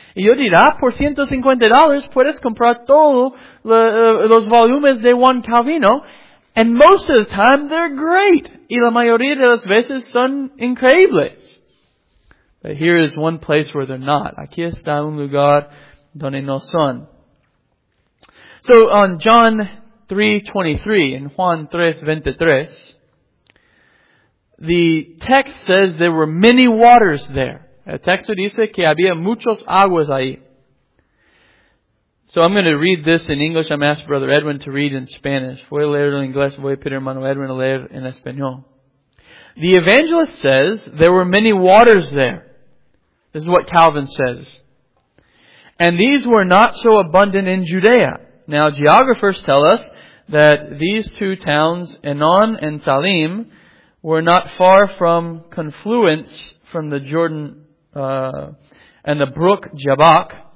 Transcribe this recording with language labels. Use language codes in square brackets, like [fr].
[es] Y yo dirá, por $150 puedes comprar todos los volúmenes de Juan Calvino. [en] And most of the time, they're great. [es] Y la mayoría de las veces son increíbles. [en] But here is one place where they're not. [es] Aquí está un lugar donde no son. [en] So on John 3:23 and Juan 3:23, the text says there were many waters there. [es] El texto dice que había muchos aguas ahí. [en] So I'm going to read this in English. I'm asking Brother Edwin to read in Spanish. [es] Voy a leer en inglés. Voy a pedir hermano Edwin a leer en español. [en] The evangelist says there were many waters there. This is what Calvin says. And these were not so abundant in Judea. Now geographers tell us that these two towns, Enon and Salim, were not far from confluence from the Jordan and the brook Jabbok.